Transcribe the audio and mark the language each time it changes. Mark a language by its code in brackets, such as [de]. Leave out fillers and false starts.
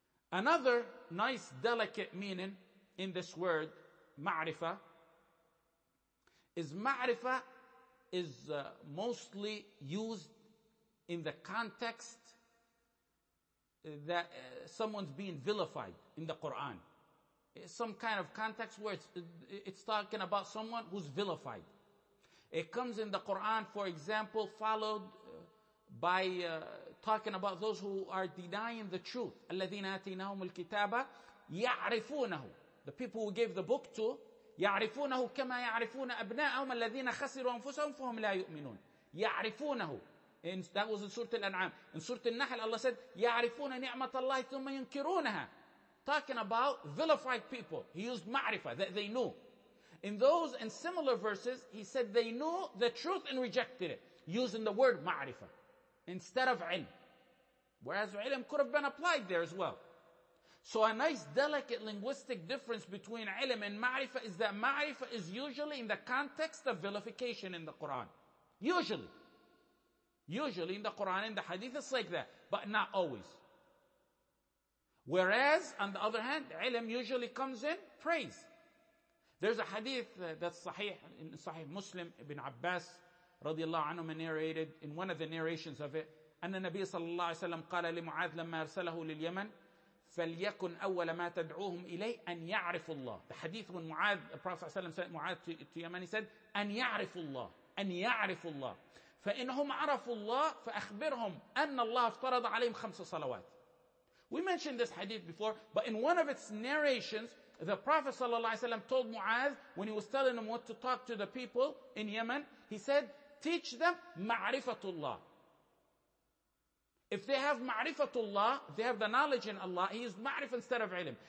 [en] Another nice, delicate meaning in this word, ma'rifah, is ma'rifah is mostly used in the context that someone's being vilified in the Quran. It's some kind of context where it's talking about someone who's vilified. It comes in the Quran, for example, followed by talking about those who are denying the truth. [ar] الَّذِينَ آتِيْنَهُمُ الْكِتَابَ يَعْرِفُونَهُ. [en] The people who gave the book to, [ar] يَعْرِفُونَهُ كَمَا يَعْرِفُونَ أَبْنَاءَهُمْ الَّذِينَ خَسِرُوا أَنفُسَهُمْ فَهُمْ لَا يُؤْمِنُونَ يَعْرِفُونَهُ. [en] And that was in Surah Al-An'am. In Surah Al-Nahl, Allah said, [ar] يَعْرِفُونَ نِعْمَةَ اللَّهِ ثُمَّ يُنْكِرُونَهَا. [en] Talking about vilified people. He used ma'rifah, that they knew. In those and similar verses, he said they knew the truth and rejected it, using the word ma'rifah instead of ilm. Whereas ilm could have been applied there as well. So a nice, delicate linguistic difference between ilm and ma'rifah is that ma'rifah is usually in the context of vilification in the Quran. Usually. Usually in the Quran, in the hadith, it's like that. But not always. Whereas, on the other hand, ilm usually comes in praise. There's a hadith that's sahih, in Sahih Muslim, Ibn Abbas, radiallahu anhu, narrated in one of the narrations of it, [ar] أن النبي صلى الله عليه وسلم قال لمعاذ لما أرسله لليمن فليكن أول ما تدعوهم إليه أن يعرف الله. [en] The hadith when Mu'adh, the Prophet صلى الله عليه وسلم said, Mu'adh to Yemen, he said, [ar] أن يعرف الله. أن يعرف الله. فإنهم عرفوا الله فأخبرهم أن الله افترض عليهم خمس صلوات. [en] We mentioned this hadith before, but in one of its narrations, the Prophet ﷺ told Mu'adh, when he was telling him what to talk to the people in Yemen, he said, teach them ma'rifatullah. If they have ma'rifatullah, they have the knowledge in Allah, he is ma'rif instead of ilm.